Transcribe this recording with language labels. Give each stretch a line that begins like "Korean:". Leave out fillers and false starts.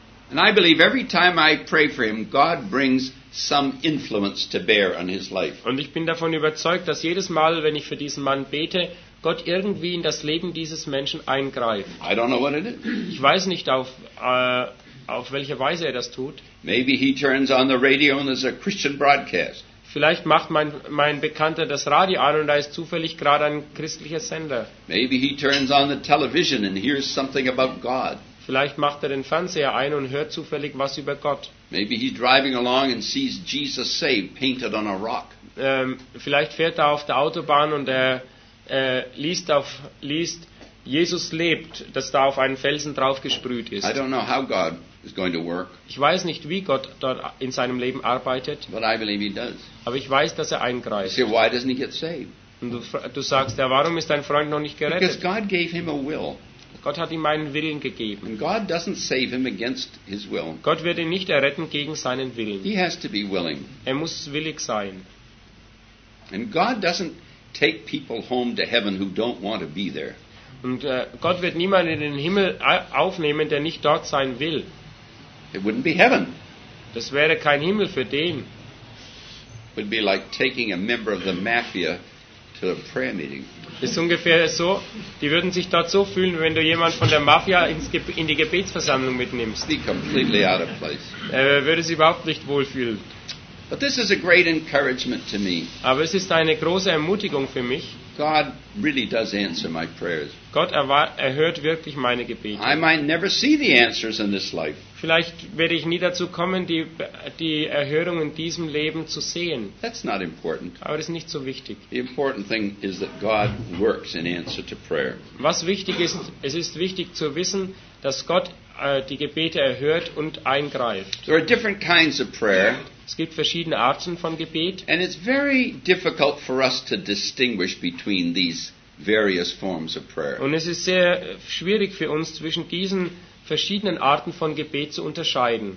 English: And I believe every time I pray for him, God brings some influence to bear on his life.
German: Und ich bin davon überzeugt, dass jedes Mal, wenn ich für diesen Mann bete, Gott irgendwie in das Leben dieses Menschen eingreift.
English: I don't know what it is.
German: Ich weiß nicht, auf welche Weise er das tut.
English: Maybe he turns on the radio and there's a Christian broadcast.
German: Vielleicht macht mein Bekannter das Radio an und da ist zufällig gerade ein christlicher Sender.
English: Maybe he turns on the television and hears something about God.
German: Vielleicht macht den Fernseher ein und hört zufällig was über Gott.
English: Maybe he's driving along and sees Jesus saved painted on a rock.
German: Vielleicht fährt auf der Autobahn und liest Jesus lebt, dass da auf einen Felsen draufgesprüht ist.
English: I don't know how God is going to work.
German: Ich weiß nicht, wie Gott dort in seinem Leben arbeitet.
English: But I believe he does.
German: Aber ich weiß, dass er eingreift.
English: See, why doesn't he get saved?
German: Und du sagst, ja, warum ist dein Freund noch nicht gerettet?
English: Because God gave him a will.
German: Gott hat ihm einen Willen gegeben.
English: And God doesn't save him against his will.
German: Gott wird ihn nicht erretten gegen seinen Willen.
English: He has to be willing.
German: Er muss willig sein.
English: And God doesn't take people home to heaven who don't want to be there.
German: Und Gott wird niemanden in den Himmel aufnehmen, der nicht dort sein will.
English: It wouldn't be heaven.
German: Das wäre kein Himmel für den.
English: It would be like taking a member of the mafia to a prayer meeting.
German: Ist ungefähr so. Die würden sich dort so fühlen, wenn du jemand von der Mafia in die Gebetsversammlung mitnimmst.
English: Be completely out of place.
German: Würde sich überhaupt nicht wohlfühlen.
English: But this is a great encouragement to me.
German: Aber es ist eine große Ermutigung für mich.
English: God really does answer my prayers.
German: Gott erhört wirklich meine Gebete.
English: I might never see the answers in this life.
German: Vielleicht werde ich nie dazu kommen, die Erhörung in diesem Leben zu sehen.
English: That's not important.
German: Aber das ist nicht so wichtig.
English: The important thing is that God works in answer to prayer.
German: Was wichtig ist, es ist wichtig zu wissen, dass Gott die Gebete erhört und eingreift.
English: There are different kinds of prayer.
German: Es gibt verschiedene Arten von Gebet.
English: And it's very difficult for us to distinguish between these various forms of prayer.
German: Und es ist sehr schwierig für uns, zwischen diesen verschiedenen Arten von Gebet zu unterscheiden.